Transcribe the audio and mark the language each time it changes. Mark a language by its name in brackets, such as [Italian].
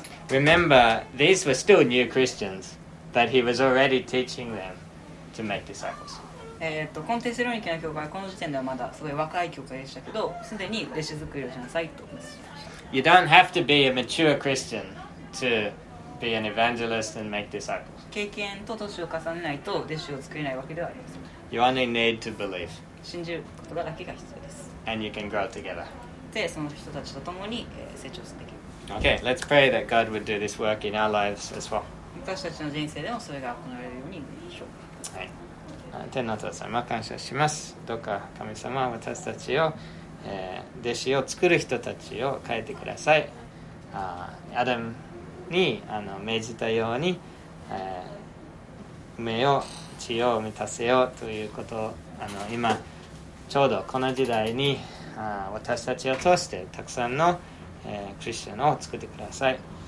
[English] Remember, these were still new Christians, but he was already teaching them to make disciples. [Japanese] このテセロニケの教会はこの時点ではまだすごい若い教会でしたけど、すでに弟子作りをしなさいと。 [English] You don't have to be a mature Christian. To be an evangelist and make disciples. [Japanese] 経験と年を重ねないと弟子を作れないわけではありません。 [English] You only need to believe. [Japanese] 信じることだけが必要です。 [English] And you can grow together. [Japanese] で、その人たちと共に、成長できる。 [English] Okay, let's pray that God would do this work in our lives as well. [Japanese] 私たちの人生でもそれが行われるようにでしょう。はい。天のお父様、感謝します。どうか神様、私たちを、弟子を作る人たちを変えてください。アダムに命じたように、目を血を満たせようということを今ちょうどこの時代に私たちを通してたくさんの、クリスチャンを作ってください。